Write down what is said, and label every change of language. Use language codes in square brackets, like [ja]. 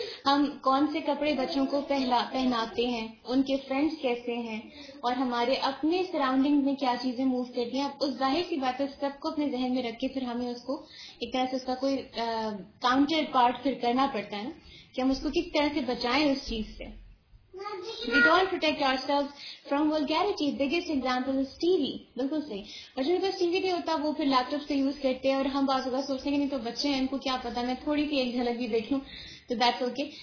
[ur] ہم کون سے کپڑے بچوں کو پہناتے ہیں, ان کے فرینڈس کیسے ہیں, اور ہمارے اپنے سراؤنڈنگ میں کیا چیزیں موو کرتی ہیں. اس ظاہر سی بات ہے, سب کو اپنے ذہن میں رکھ کے پھر ہمیں اس کو ایک طرح سے اس کا کوئی کاؤنٹر پارٹ پھر کرنا پڑتا ہے نا, کہ ہم اس کو کس طرح سے بچائیں اس چیز سے. [en] We don't protect ourselves from vulgarity. Biggest example is TV. [ur] بالکل صحیح. بچوں کے پاس ٹی وی بھی ہوتا, وہ پھر لیپ ٹاپ سے یوز کرتے ہیں, اور ہم بعض اوقات سوچتے ہیں کہ نہیں تو بچے ہیں, ان کو کیا پتا, میں تھوڑی سی ایک جھلک بھی دیکھ لوں تو [en] That's okay.